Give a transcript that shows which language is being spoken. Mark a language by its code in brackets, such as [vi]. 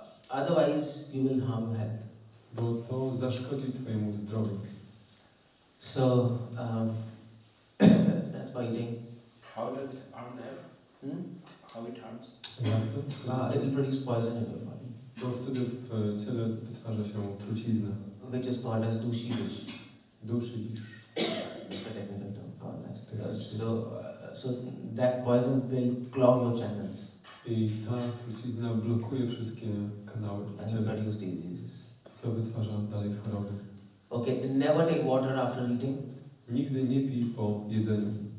[en] Otherwise you will harm your health. [pl] Bo to zaszkodzi twojemu zdrowiu. [en] So that's why eating. How does it harm them? Hmm? How it harms? It will produce poison in your body. [pl] Bo wtedy w ciele wytwarza się trucizna. [en] Which is called as dusi-bisz. Dusi-bisz. The technical term called as. So that poison will clog your channels. [pl] I ta trucizna blokuje wszystkie kanały w ciele. [en] And produce diseases. [pl] Co wytwarza dalej choroby. [en] Okay, never take water after eating. [pl] Nigdy nie pij po jedzeniu.